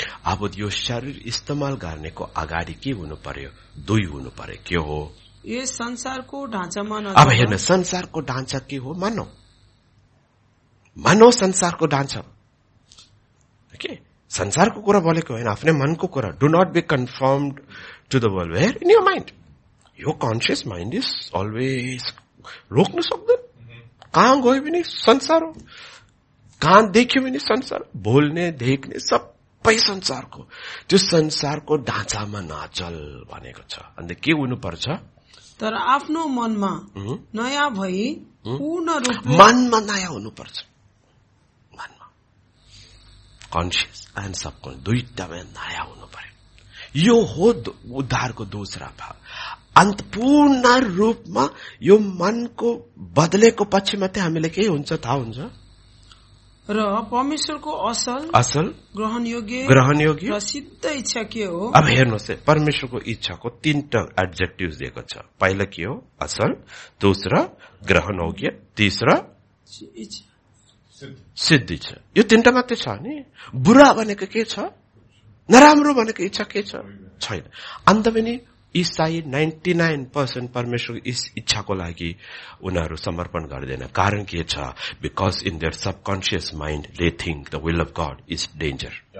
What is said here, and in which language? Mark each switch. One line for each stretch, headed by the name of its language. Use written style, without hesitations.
Nepali: अब यो शरीर इस्तेमाल गर्नेको अगाडि के हुनु पर्यो, दुई हुनु पर्यो. के हो यो संसारको ढाँचा? अब हेर्नु, संसारको ढाँचा के हो, मनो संसारको ढाँचा. ओके, संसारको कुरा बोलेको होइन, आफ्नै मनको कुरा.
English: Do not be conformed to the world, where in your mind. यो conscious mind is always,
Nepali: रोक्न सक्दैन. कहाँ गयो भने संसार हो, कहाँ देख्यो भने संसार, बोल्ने देख्ने सबै संसारको, त्यो संसारको ढाँचामा नाचल भनेको छ. अन्त के हुनु पर्छ, तर आफ्नो मनमा नयाँ भई पूर्ण रूप, मनमा नयाँ हुनुपर्छ. मनमा कन्सियस एन्ड सबकन्सियस दुईटामा नयाँ हुनु पर्यो. यो हो उद्धारको दूसरा भाग. अन्त पूर्ण रूपमा यो मनको बदलेको पछि मात्रै हामीले के हुन्छ थाहा हुन्छ, र परमेश्वरको असल ग्रहणयोग्य सिद्ध इच्छा के हो. अब हेर्नुहोस् है, परमेश्वरको इच्छाको तीनटा एड्जेक्टिभ दिएको छ. पहिला के हो, असल, दूसरा ग्रहणयोग्य, तीसरा सिद्ध इच्छा. यो तीनटा मात्रै छ नि. बुरा भनेको के छ, नराम्रो भनेको इच्छा के छैन. अन्त पनि यी साइड 99% परमेश्वरको इच्छाको लागि उनीहरू समर्पण गर्दैन. कारण के छ,
English: Because in their subconscious mind they think the will of God is danger.